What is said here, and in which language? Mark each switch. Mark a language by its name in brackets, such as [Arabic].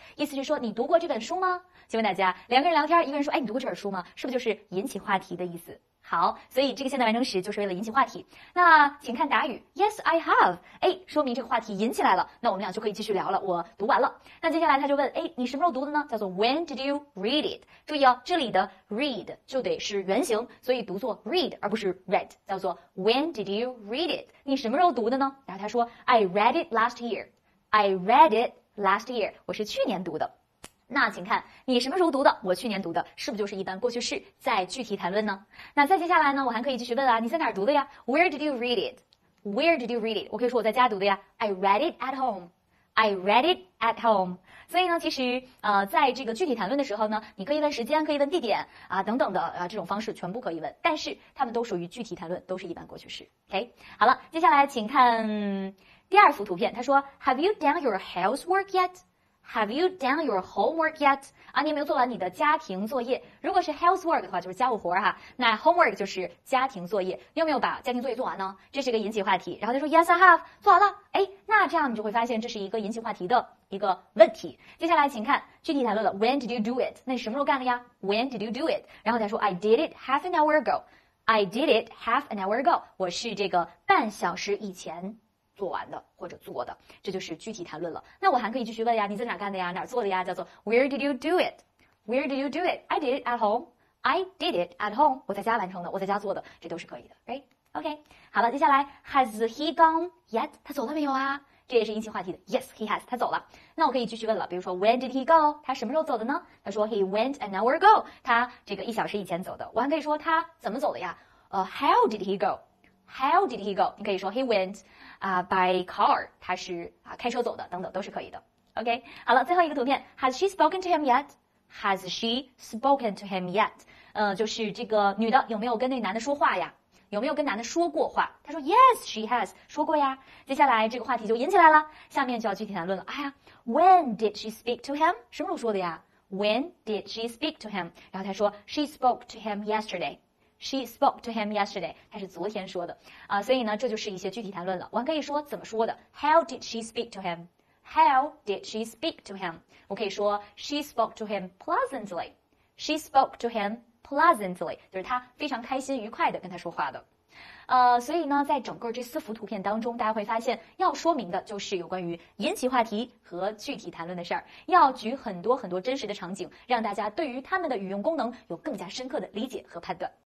[Chinese] 意思是说你读过这本书吗？请问大家，两个人聊天，一个人说哎，你读过这本书吗？是不是就是引起话题的意思？好，所以这个现在完成时就是为了引起话题。那请看答语 [English] Yes, I have。 [Chinese] 哎，说明这个话题引起来了，那我们俩就可以继续聊了，我读完了。那接下来他就问，哎，你什么时候读的呢？叫做 [English] When did you read it？ [Chinese] 注意哦，这里的 read 就得是原型，所以读作 read 而不是 read， 叫做 When did you read it？你什么时候读的呢？然后他说 [English] I read it last year， I read it last year， [Chinese] 我是去年读的。那请看你什么时候读的，我去年读的，是不是就是一般过去式在具体谈论呢？那再接下来呢，我还可以继续问啊，你在哪儿读的呀？ [English] Where did you read it? Where did you read it? [Chinese] 我可以说我在家读的呀。 [English] I read it at home, I read it at home。 [Chinese] 所以呢，其实在这个具体谈论的时候呢，你可以问时间，可以问地点啊等等的啊，这种方式全部可以问，但是他们都属于具体谈论，都是一般过去式。 OK， 好了，接下来请看第二幅图片。他说 [English] Have you done your housework yet? Have you done your homework yet? [Chinese] 啊，你有没有做完你的家庭作业？如果是 housework 的话，就是家务活哈。那 homework 就是家庭作业。你有没有把家庭作业做完呢？这是一个引起话题。然后他说 [English] Yes, I have. [Chinese] 做完了。哎，那这样你就会发现这是一个引起话题的一个问题。接下来请看具体谈论了。 [English] When did you do it? [Chinese] 那你什么时候干的呀？ [English] When did you do it? [Chinese] 然后他说 [English] I did it half an hour ago. I did it half an hour ago. [Chinese] 我是这个半小时以前做完的或者做的，这就是具体谈论了。那我还可以继续问呀，你在哪干的呀，哪做的呀，叫做 [English] Where did you do it? Where did you do it? I did it at home. I did it at home. [Chinese] 我在家完成的，我在家做的，这都是可以的， right? [English] OK， [Chinese] 好了，接下来 [English] Has he gone yet? [Chinese] 他走了没有啊？这也是引起话题的。 [English] Yes, he has. [Chinese] 他走了。那我可以继续问了，比如说 [English] When did he go? [Chinese] 他什么时候走的呢？他说 [English] He went an hour ago. [Chinese] 他这个一小时以前走的。我还可以说他怎么走的呀？ [English] How did he go? How did he go? [Chinese] 你可以说 [English] he went, by car. [Chinese] 他是啊开车走的，等等都是可以的。 [English] OK, [Chinese] 好了，最后一个图片 [English] ，Has she spoken to him yet? Has she spoken to him yet? [Chinese] 就是这个女的有没有跟那男的说话呀？有没有跟男的说过话？他说 Yes, she has 说过呀。接下来这个话题就引起来了，下面就要具体谈论了。哎呀 [English] ，When did she speak to him? [Chinese] 什么时候说的呀 [English] ？When did she speak to him? 然后他说 She spoke to him yesterday. She spoke to him yesterday. [Chinese] 她是昨天说的啊，所以呢，这就是一些具体谈论了。我还可以说怎么说的 ？ [English] How did she speak to him? How did she speak to him? [Chinese] 我可以说 [English] She spoke to him pleasantly. She spoke to him pleasantly. [Chinese] 就是她非常开心愉快的跟他说话的。所以呢，在整个这四幅图片当中，大家会发现要说明的就是有关于引起话题和具体谈论的事儿，要举很多很多真实的场景，让大家对于他们的语用功能有更加深刻的理解和判断。